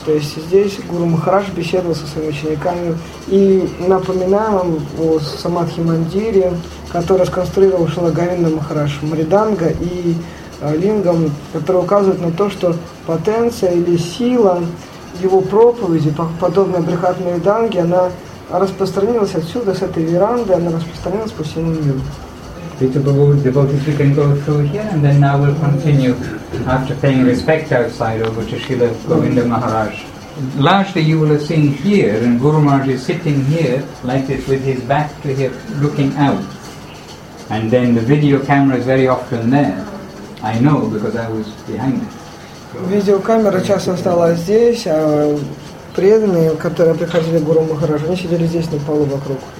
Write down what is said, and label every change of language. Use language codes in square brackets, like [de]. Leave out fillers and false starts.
[ru] То есть здесь Гуру Махарадж беседовал со своими учениками. И напоминаю вам о Самадхи Мандире, который сконструировал Шрила Говинда Махарадж, Мриданга и Лингам, который указывает на то, что потенция или сила его проповеди, подобная Брихат Мриданге, она распространилась отсюда, с этой веранды, она распространилась по всему миру. [en] Devotees, we can go through here, and then now we'll continue after paying respect outside over to Srila Govinda Maharaj. Largely you will have seen here, and Guru Maharaj is sitting here like this with his back to here looking out, and then the video camera is very often there. I know because I was behind it. Video camera [ru] часто стала здесь, а преданные, которые приходили к Гуру Махараджу, они сидели здесь на полу вокруг.